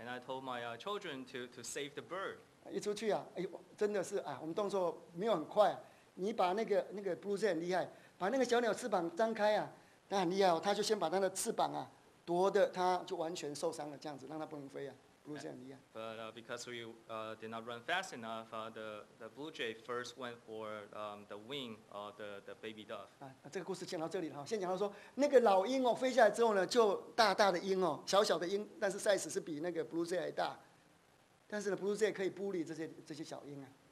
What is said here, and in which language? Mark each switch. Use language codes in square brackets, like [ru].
[en] And I told my children to save the bird. [zh] 一出去啊，哎呦，真的是啊，我们动作没有很快啊。你把那个 blue jay 很厉害，把那个小鸟翅膀张开啊，它很厉害哦，它就先把它的翅膀啊夺的，它就完全受伤了，这样子让它不能飞啊。Blue jay 很厉害。 [en] But because we did not run fast enough, the blue jay first went for the wing of the baby dove. [zh] 啊，这个故事讲到这里了哈，先讲到说那个老鹰哦，飞下来之后呢，就大大的鹰哦，小小的鹰，但是 size 是比那个 blue jay 还大。但是呢 ，blue jay 可以 bully 这些小鹰啊。